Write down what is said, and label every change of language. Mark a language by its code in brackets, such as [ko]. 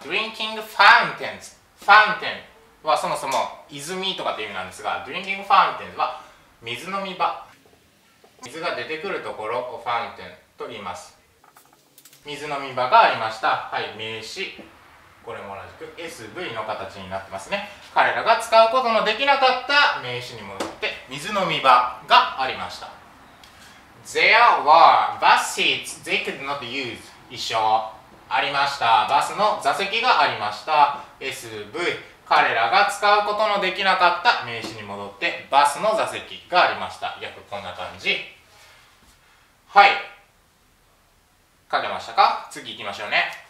[ja] Drinking fountains、 fountain はそもそも泉とかって意味なんですが、 Drinking fountains は水飲み場、水が出てくるところを fountain と言います。水飲み場がありました。はい、名詞これも同じく SV の形になってますね。彼らが使うことのできなかった名詞に戻って、水飲み場がありました。 [en] There were bus seats they could not use. [ja] 一緒。ありました。バスの座席がありました。 SV。彼らが使うことのできなかった名詞に戻って、バスの座席がありました。約こんな感じ。はい。書けましたか？次行きましょうね。